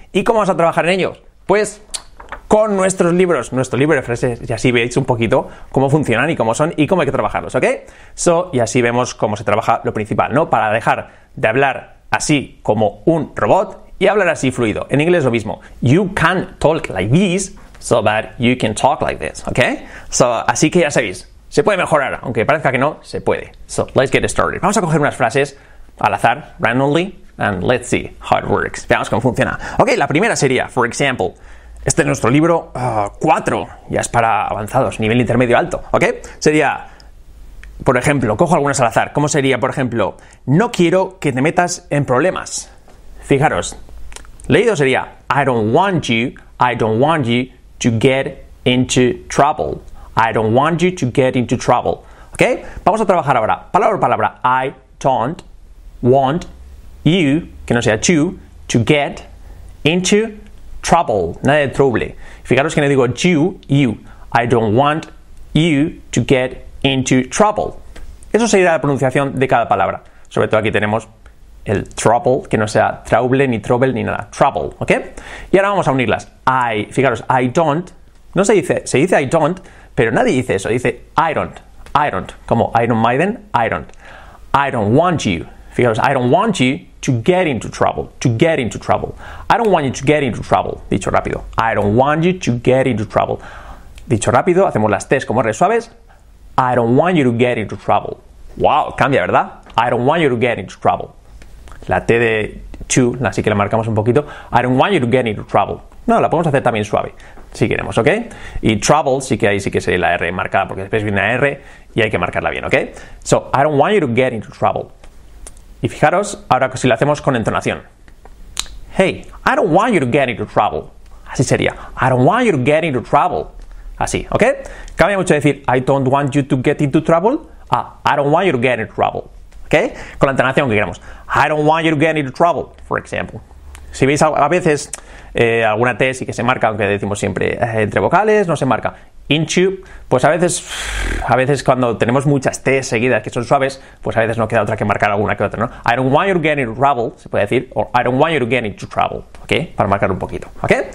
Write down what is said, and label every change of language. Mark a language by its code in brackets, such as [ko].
[es] ¿Y cómo vamos a trabajar en ellos? Pues con nuestros libros, nuestro libro de frases, y así veis un poquito cómo funcionan y cómo son y cómo hay que trabajarlos, ¿ok? So, y así vemos cómo se trabaja lo principal, ¿no? Para dejar de hablar así como un robot y hablar así fluido. En inglés lo mismo. [en] You can talk like this, so that you can talk like this, ¿ok? [es] So, así que ya sabéis, se puede mejorar, aunque parezca que no, se puede. So, [en] let's get started. [es] Vamos a coger unas frases al azar, [en] randomly, and let's see how it works. [es] Veamos cómo funciona. Ok, la primera sería, [en] for example, [es] este es nuestro libro 4, ya es para avanzados, nivel intermedio alto, ¿ok? Sería, por ejemplo, cojo algunas al azar, ¿cómo sería, por ejemplo, no quiero que te metas en problemas? Fijaros, leído sería, [en] I don't want you to get into trouble. [es] ¿Ok? Vamos a trabajar ahora, palabra por palabra, [en] I don't want you, [es] que no sea [en] to get into trouble, [es] nada de trouble. Fijaros que le digo [en] you, I don't want you to get into trouble. [es] Eso sería la pronunciación de cada palabra. Sobre todo aquí tenemos el trouble, que no sea trouble ni nada, trouble, ¿ok? Y ahora vamos a unirlas. I don't, no se dice, se dice I don't, pero nadie dice eso, dice I don't, como Iron Maiden, [en] I don't want you. Fijaros, I don't want you to get into trouble, I don't want you to get into trouble, [es] dicho rápido. [en] I don't want you to get into trouble. [es] Dicho rápido, hacemos las T's como R suaves. [en] I don't want you to get into trouble. Wow, [es] cambia, ¿verdad? [en] I don't want you to get into trouble. [es] La T de to, así que la marcamos un poquito. [en] I don't want you to get into trouble. [es] No, la podemos hacer también suave, si queremos, ¿ok? Y trouble, sí que ahí sí que sería la R marcada, porque después viene la R y hay que marcarla bien, ¿ok? [en] So, I don't want you to get into trouble. [es] Y fijaros, ahora si lo hacemos con entonación. [en] Hey, I don't want you to get into trouble. [es] Así sería. [en] I don't want you to get into trouble. Así, ¿ok? [es] Cambia mucho decir, [en] I don't want you to get into trouble. I don't want you to get into trouble. ¿Ok? [es] Con la entonación que queramos. [en] I don't want you to get into trouble, for example. [es] Si veis a veces alguna T sí que se marca, aunque decimos siempre entre vocales, no se marca. Into, pues a veces cuando tenemos muchas T seguidas que son suaves, pues a veces no queda otra que marcar alguna que otra, ¿no? [en] I don't want you to get into trouble, [es] se puede decir, o [en] I don't want you to get into trouble, ¿ok? [es] Para marcar un poquito, [en] ¿ok?